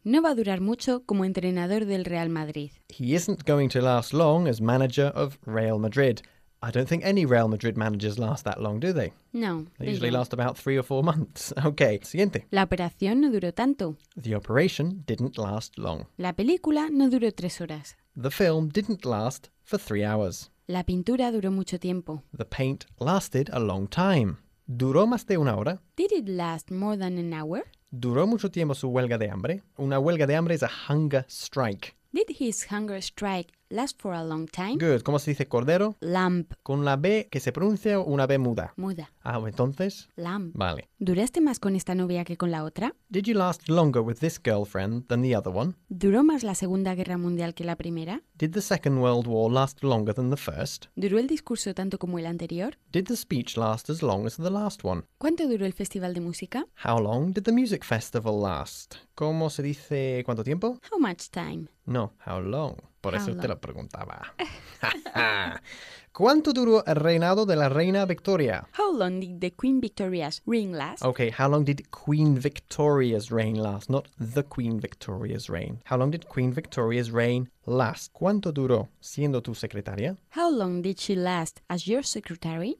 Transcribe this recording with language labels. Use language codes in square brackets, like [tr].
[es] No va a durar mucho como entrenador del Real Madrid. [en] He isn't going to last long as manager of Real Madrid. I don't think any Real Madrid managers last that long, do they? [es] No. [en] They usually last about 3 or 4 months. Okay, [es] siguiente. La operación no duró tanto. [en] The operation didn't last long. [es] La película no duró 3 horas. [en] The film didn't last for 3 hours. [es] La pintura duró mucho tiempo. [en] The paint lasted a long time. [es] ¿Duró más de una hora? [en] Did it last more than an hour? [es] ¿Duró mucho tiempo su huelga de hambre? Una huelga de hambre [en] is a hunger strike. Did his hunger strike last for a long time? [es] Good. ¿Cómo se dice cordero? [en] Lamb. [es] ¿Con la B que se pronuncia o una B muda? Muda. Ah, entonces. [en] Lamb. [es] Vale. ¿Duraste más con esta novia que con la otra? [en] Did you last longer with this girlfriend than the other one? [es] ¿Duró más la Segunda Guerra Mundial que la primera? [en] Did the Second World War last longer than the first? [es] ¿Duró el discurso tanto como el anterior? [en] Did the speech last as long as the last one? [es] ¿Cuánto duró el festival de música? [en] How long did the music festival last? [es] ¿Cómo se dice cuánto tiempo? [en] How much time? [es] No, [en] how long. [es] Por eso te lo preguntaba. ¿Cuánto duró el reinado de la reina Victoria? [en] How long did the Queen Victoria's reign last? Okay, how long did Queen Victoria's reign last? Not the Queen Victoria's reign. How long did Queen Victoria's reign last? [es] ¿Cuánto duró siendo tu secretaria? [en] How long did she last as your secretary?